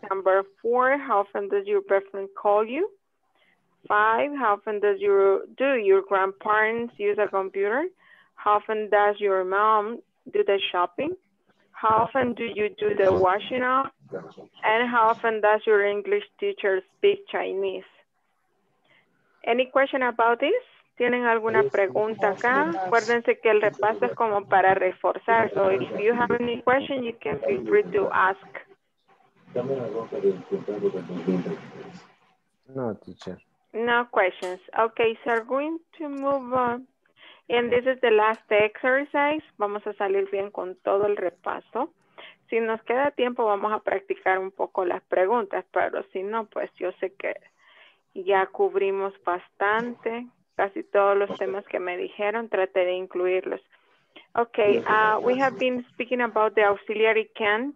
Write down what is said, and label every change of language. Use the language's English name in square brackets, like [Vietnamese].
[English] Number four, how often does your boyfriend call you? Five, how often does your grandparents use a computer? How often does your mom do the shopping? How often do you do the washing up? And how often does your English teacher speak Chinese? Any question about this? [Spanish] ¿Tienen alguna pregunta acá? Acuérdense que el repaso es como para reforzar. [English] So if you have any question, you can feel free to ask. No, teacher. No questions. Okay, so we're going to move on. And this is the last exercise. [Spanish] Vamos a salir bien con todo el repaso. Si nos queda tiempo, vamos a practicar un poco las preguntas. Pero si no, pues yo sé que ya cubrimos bastante. Casi todos los temas que me dijeron, traté de incluirlos. [English] Okay, we have been speaking about the auxiliary can.